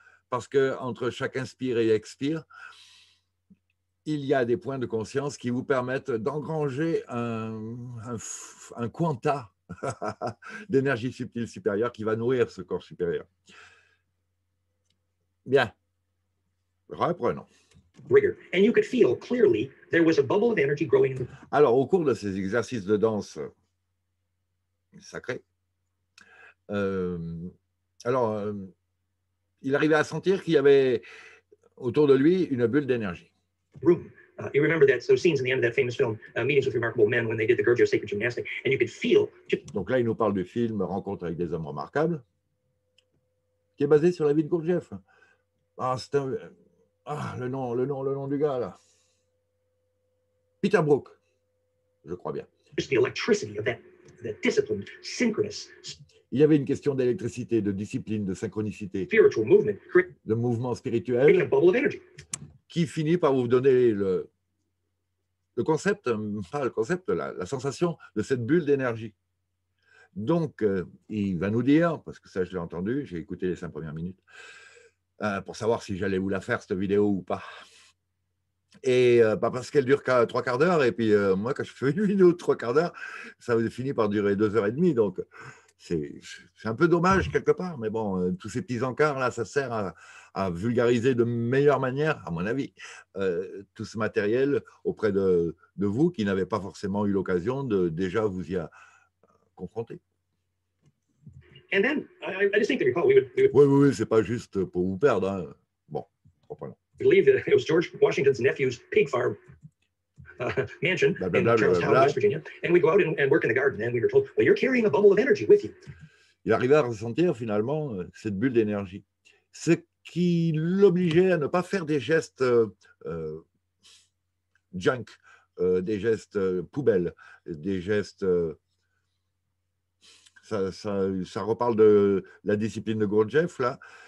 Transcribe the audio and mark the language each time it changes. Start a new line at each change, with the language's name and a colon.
French: Parce qu'entre chaque inspire et expire, il y a des points de conscience qui vous permettent d'engranger un quanta d'énergie subtile supérieure qui va nourrir ce corps supérieur. Bien. Reprenons.
English: And you could feel clearly there was a bubble of energy growing.
French: Alors, au cours de ces exercices de danse sacrés, il arrivait à sentir qu'il y avait autour de lui une bulle d'énergie.
English: Room. You remember that those scenes in the end of that famous film, Meetings with Remarkable Men, when they did the Gurdjieff Sacred Gymnastics, and you could feel.
French: Donc là, il nous parle du film Rencontre avec des hommes remarquables, qui est basé sur la vie de Gurdjieff. Ah, c'est un. Ah, le nom du gars là. Peter Brook, je crois bien.
English: Just the electricity of that disciplined, synchronous.
French: Il y avait une question d'électricité, de discipline, de synchronicité.
English: Spiritual movement.
French: De mouvement spirituel.
English: Making a bubble of energy.
French: Qui finit par vous donner le concept, pas le concept, la sensation de cette bulle d'énergie. Donc, il va nous dire, parce que ça, je l'ai entendu, j'ai écouté les 5 premières minutes, pour savoir si j'allais vous la faire, cette vidéo, ou pas. Et pas parce qu'elle dure qu'à 3 quarts d'heure, et puis moi, quand je fais une vidéo de 3 quarts d'heure, ça finit par durer 2 heures et demie, donc C'est un peu dommage quelque part, mais bon, tous ces petits encarts là, ça sert à vulgariser de meilleure manière, à mon avis, tout ce matériel auprès de vous qui n'avez pas forcément eu l'occasion de déjà vous y confronter.
English: And then I distinctly recall we would.
French: Oui, c'est pas juste pour vous perdre. Hein. Bon, comprenons.
English: Believe that it was George Washington's nephew's pig farm. Mansion in Charlestown, West Virginia, and we go out and work in the garden, and we were told, "Well, you're carrying a bubble of energy with you."
French: Il arrivait à ressentir finalement cette bulle d'énergie, ce qui l'obligeait à ne pas faire des gestes junk, des gestes poubelles, des gestes. Ça reparle de la discipline de Gurdjieff là.